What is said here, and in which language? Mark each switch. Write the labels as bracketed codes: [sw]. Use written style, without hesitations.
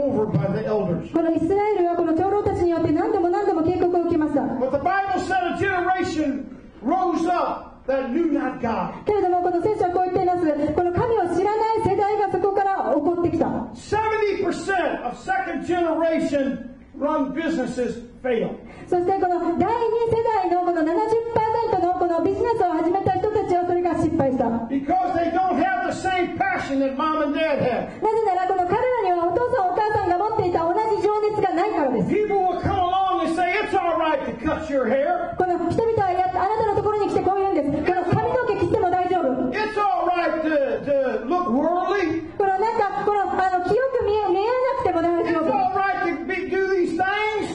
[ja] このイスラエルはこの長老たちによって何度も何度も警告を受けました。 [en] But the Bible said a generation rose up that knew not God. [ja] けれどもこの聖書はこう言っています。この神を知らない世代がそこから起こってきた。 [en] 70% of second generation run businesses fail. [ja] そしてこの第二世代のこの 70% のこのビジネスを始めた人たちはそれが失敗した。 [en] Because they don't have the same passion that mom and dad had. [ja] なぜならこの彼らにはお父さんお母さんが持っていた同じ情熱がないからです。 [en] People will come along and say it's all right to cut your hair. [ja] この人々はあなたのところに来てこう言うんです。この髪の毛切っても大丈夫。 [en] It's all right to look worldly. [ja] このなんかこの清く見えなくても大丈夫。 [en] It's all right to do these things.